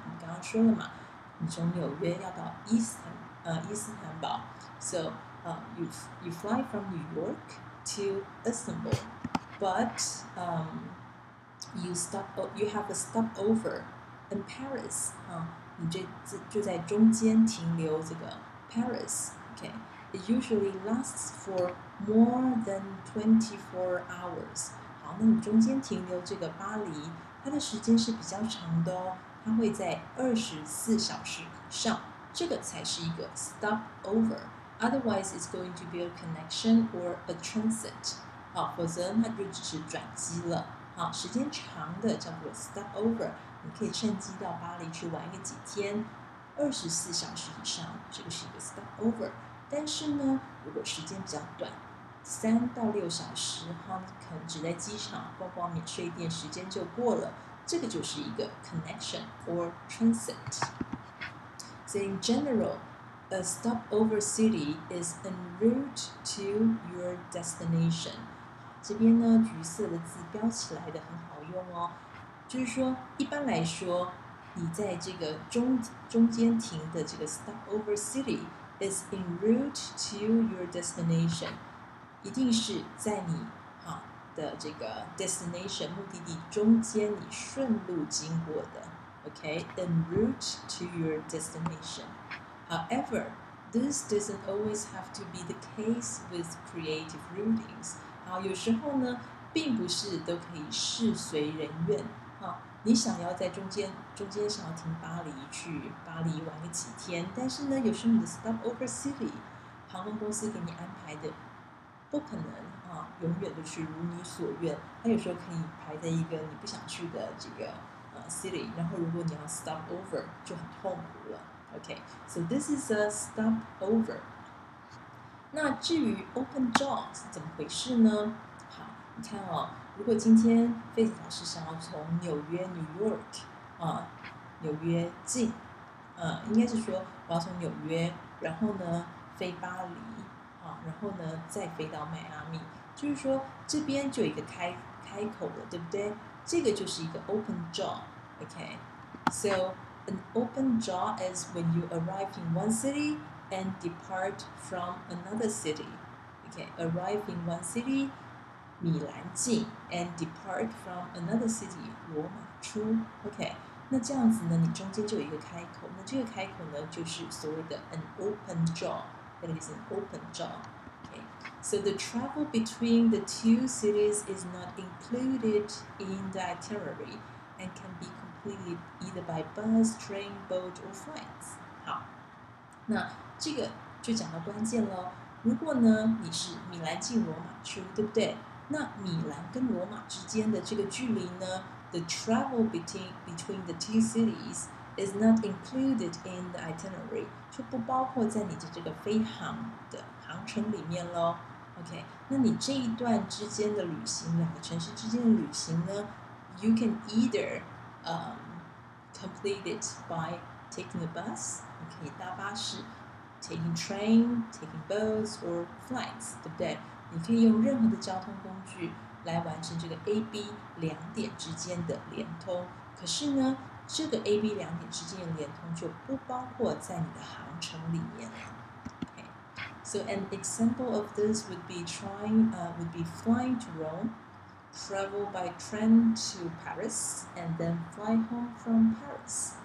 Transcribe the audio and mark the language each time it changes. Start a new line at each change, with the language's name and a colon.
Chinese: 我们刚刚说了嘛，你从纽约要到伊斯坦堡。
English: So, you fly from New York to Istanbul, but you have a stopover in Paris.
Chinese: 你就在中间停留这个 Paris. Okay.
English: It usually lasts for more than 24 hours.
Chinese: 好，那你中间停留这个巴黎，它的时间是比较长的哦，它会在24小时以上，这个才是一个 stopover.
English: Otherwise, it's going to be a connection or a transit.
Chinese: 好，否则它就只是转机了。好，时间长的叫做 stopover. 你可以趁机到巴黎去玩个几天，24小时以上，这个是一个 stopover. 但是呢，如果时间比较短，3到6小时，哈，可能只在机场逛逛免税店，时间就过了，这个就是一个
English: connection or transit. So in general, a stopover city is en route to your destination.
Chinese: 这边呢，橘色的字标起来的很好用哦，就是说，一般来说，你在这个中间停的这个 stopover city。
English: Is en route to your destination，
Chinese: 一定是在你的这个 destination 目的地中间，你顺路经过的。
English: OK， en route to your destination。 However， this doesn't always have to be the case with creative routings。
Chinese: 好，有时候呢，并不是都可以事随人愿。你想要在中间想要停巴黎，去巴黎玩个几天，但是呢，有时候你的 stopover city， 航空公司给你安排的不可能啊，永远都是如你所愿。它有时候可以排在一个你不想去的这个city， 然后如果你要 stopover 就很痛苦了。
English: OK， so this is a stopover。
Chinese: 那至于 open jaw 是怎么回事呢？好，你看哦。如果今天 Face 老师想要从纽约 New York 纽约进应该是说我要从纽约然后呢飞巴黎然后呢再飞到迈阿密，就是说这边就有一个 开口了，对不对？这个就是一个 open jaw。
English: OK， So an open jaw is when you arrive in one city and depart from another city. OK， arrive in one city
Chinese: 米兰进
English: and depart from another city
Chinese: 罗马出。 OK， 那这样子呢，你中间就有一个开口，那这个开口呢就是所谓的 an open jaw，
English: that is an open jaw。 OK， so the travel between the two cities is not included in the itinerary and can be completed either by bus, train, boat or flights。
Chinese: 好，那这个就讲到关键了。如果呢你是米兰进罗马出，对不对？那米兰跟罗马之间的这个距离呢 ？
English: The travel between the two cities is not included in the itinerary，
Chinese: 就不包括在你的这个飞航的航程里面喽。 OK， 那你这一段之间的旅行，两个城市之间的旅行呢 ？
English: You can either complete it by taking a bus,
Chinese: 你可以搭巴士
English: taking train, taking boats or flights,
Chinese: 对不对？你可以用任何的交通工具来完成这个 AB 两点之间的连通。可是呢，这个 AB 两点之间的连通就不包括在你的航程里面了。
English: So an example of this would be flying to Rome, travel by train to Paris, and then fly home from Paris.